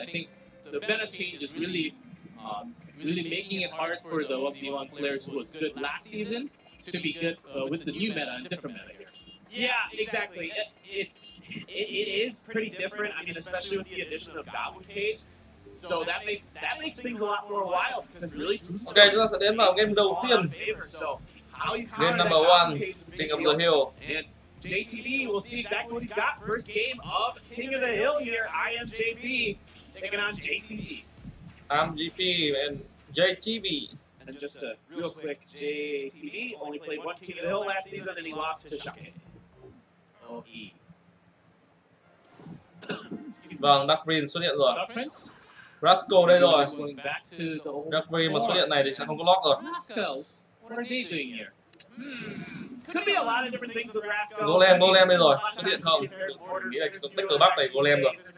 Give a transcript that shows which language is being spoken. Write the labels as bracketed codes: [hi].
[en] I think the meta change is really really making it hard for the 1v1 players who was good last season to be good with the new meta and different meta here. Yeah, exactly. It is pretty different. I mean, especially with the addition of Goblin Cage. So that makes things a lot more wild because really. [vi] Okay, chúng ta sẽ đến vào game đầu tiên. [en] Game number one, King of the Hill. And JTB, we'll see exactly what he's got. First game of King of the Hill here. iamJP taking on JTB. iamJP and JTB. And just a real quick, JTB only played one King of the Hill last season and he lost to Shocket. OE. [vi] Vâng, Dark Prince xuất hiện rồi. [en] Dark Prince? [vi] Rascal đây rồi. [en] Dark [vi] Prince mà xuất hiện này thì sẽ không có lock rồi. [en] Rascal, what are they doing here? Could be a lot of different things with Rascal. [vi] Golem đây rồi, xuất hiện không? Nghĩ là chỉ có Tích Cờ Bắc này Golem rồi.